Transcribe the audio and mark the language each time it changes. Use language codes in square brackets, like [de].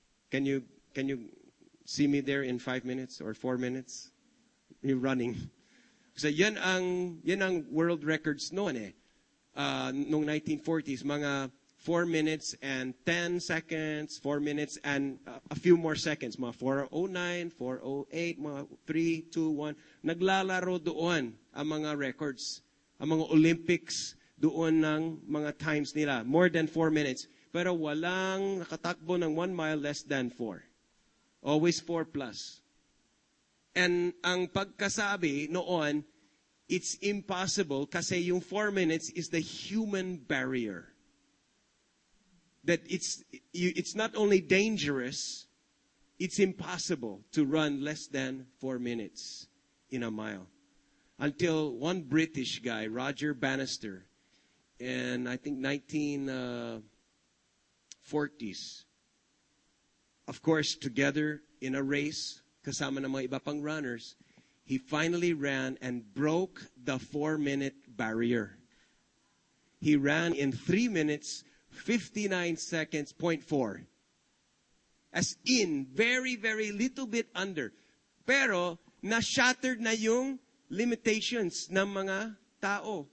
[en] Can you see me there in 5 minutes or 4 minutes? You're running. [tl] So yan ang world records noon eh. [en] Nung 1940s, mga 4 minutes and 10 seconds, 4 minutes and a few more seconds. [tl] Mga 4:09, 4:08, mga 3:21. Naglalaro doon ang mga records. Ang mga Olympics doon ng mga times nila. [en] More than 4 minutes. [tl] Pero walang nakatakbo ng 1 mile less than 4. [en] Always 4 plus. And [tl] ang pagkasabi noon, [en] it's impossible [tl] kasi yung [en] 4 minutes is the human barrier. That it's not only dangerous, it's impossible to run less than 4 minutes in a mile. Until one British guy, Roger Bannister, in I think 1940s, of course, together in a race, [tl] kasama na mga iba pang runners, [en] he finally ran and broke the 4 minute barrier. He ran in 3 minutes, 59 seconds, 0.4. As in, very, very little bit under. [tl] Pero, na-shattered na yung limitations ng mga tao.